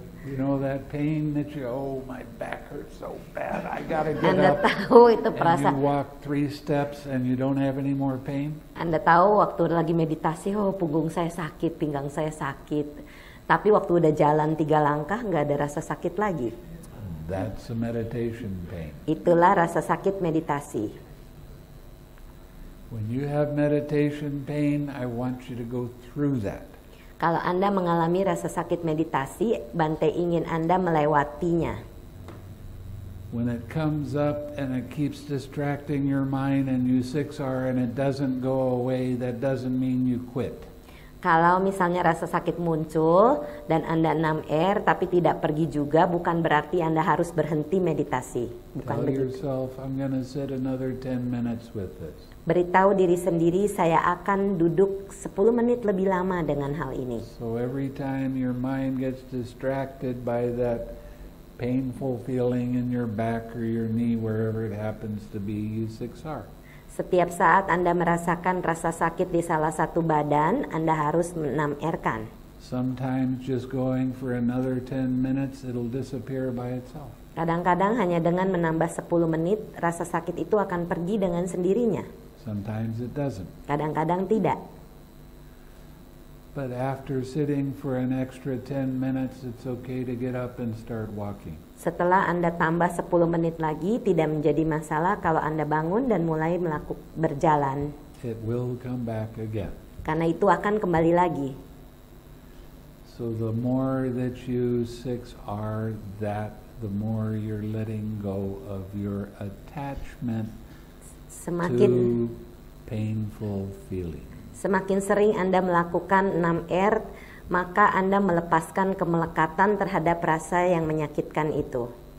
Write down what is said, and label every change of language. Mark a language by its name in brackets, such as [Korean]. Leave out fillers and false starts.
[English] You know that pain that you, oh my back hurts so bad, I gotta get [Indonesian] Anda [English] up. [Indonesian] Anda tahu itu perasaan. [English] And you walk three steps and you don't have any more pain. [Indonesian] Anda tahu waktu lagi meditasi, oh punggung saya sakit, pinggang saya sakit. Tapi waktu udah jalan tiga langkah, nggak ada rasa sakit lagi. [English] That's a meditation pain. [Indonesian] Itulah rasa sakit meditasi. [English] When you have meditation pain, I want you to go through that. [Indonesian] Kalau Anda mengalami rasa sakit meditasi, Bante ingin Anda melewatinya. [English] When it comes up and it keeps distracting your mind and you six are and it doesn't go away, that doesn't mean you quit. [Indonesian] Kalau misalnya rasa sakit muncul dan Anda 6R tapi tidak pergi juga, bukan berarti Anda harus berhenti meditasi. Bukan [English] tell [Indonesian] begitu. [English] Yourself, I'm gonna sit another 10 minutes with this. [Indonesian] Beritahu diri sendiri, saya akan duduk 10 menit lebih lama dengan hal ini. [English] So every time your mind gets distracted by that painful feeling in your back or your knee, wherever it happens to be, you 6R. [Indonesian] Setiap saat Anda merasakan rasa sakit di salah satu badan, Anda harus menamerkan. [English] Sometimes just going for another 10 minutes, it'll disappear by itself. [Indonesian] Kadang-kadang hanya dengan menambah 10 menit, rasa sakit itu akan pergi dengan sendirinya. [English] Sometimes it doesn't. [Indonesian] Kadang-kadang tidak. [English] But after sitting for an extra 10 minutes, it's okay to get up and start walking. [Indonesian] Setelah Anda tambah 10 menit lagi, tidak menjadi masalah kalau Anda bangun dan mulai berjalan. [English] It will come back again. [Indonesian] Karena itu akan kembali lagi. [English] So the more that you 6R that, the more you're letting go of your attachment [Indonesian] semakin, [English] to painful feelings. [Indonesian] Semakin sering Anda melakukan 6R, maka Anda melepaskan kemelekatan terhadap rasa yang menyakitkan itu.